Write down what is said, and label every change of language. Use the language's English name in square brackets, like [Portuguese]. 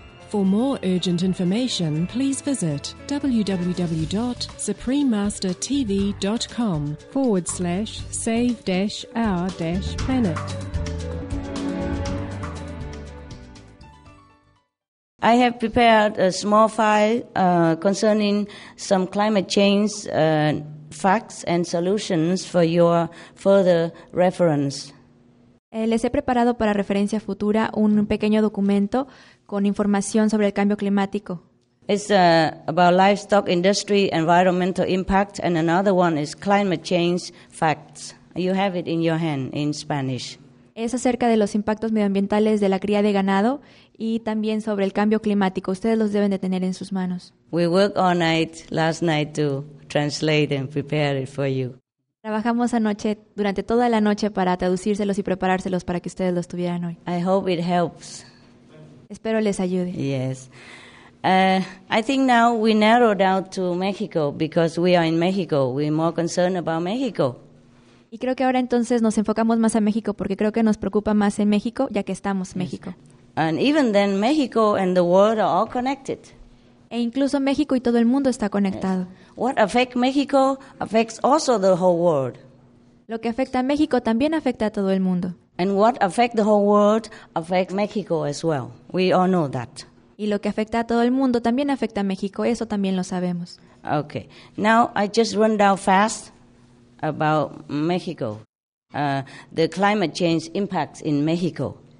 [English] For more urgent information, please visit www.suprememastertv.com/save-our-planet. I have prepared a small file concerning some climate change facts and solutions for your further reference. [Spanish] Les he preparado para referencia futura un pequeño documento con información sobre el cambio climático. [English] It's about livestock industry environmental impact, and another one is climate change facts. You have it in your hand in Spanish. [Spanish] Es acerca de los impactos medioambientales de la cría de ganado y también sobre el cambio climático. Ustedes los deben de tener en sus manos. [English] We worked all night last night to translate and prepare it for you. [Spanish] Trabajamos anoche durante toda la noche para traducírselos y preparárselos para que ustedes los tuvieran hoy. [English] I hope it helps. [Spanish] Espero les ayude. [English] Yes. I think now we narrow down to Mexico because we are in Mexico. We're more concerned about Mexico. [Spanish] Y creo que ahora entonces nos enfocamos más a México porque creo que nos preocupa más en México ya que estamos México. [English] And even then, Mexico and the world are all connected. [Spanish] E incluso México y todo el mundo está conectado. [English] What affects Mexico affects also the whole world. [Spanish] Lo que afecta a México también afecta a todo el mundo. [English] And what affects the whole world affects Mexico as well. We all know that. [Spanish] Y lo que afecta a todo el mundo también afecta a México. Eso también lo sabemos. [English] Okay. Now I just run down fast about Mexico. The climate change impacts in Mexico.